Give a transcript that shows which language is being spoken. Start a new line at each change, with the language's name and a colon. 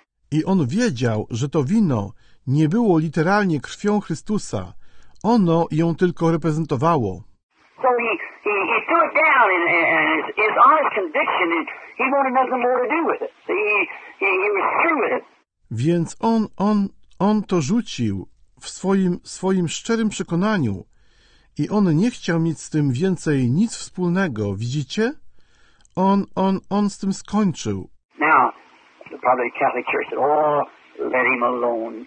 Polish: I on wiedział, że to wino nie było literalnie krwią Chrystusa. Ono ją tylko reprezentowało.
English: So he threw it down and his honest conviction and he wanted nothing more to do with it. He was through with it.
Polish: Więc on to rzucił w swoim szczerym przekonaniu i on nie chciał mieć z tym więcej nic wspólnego, widzicie? On z tym skończył.
English: Now, the probably Catholic Church said, oh, let him alone.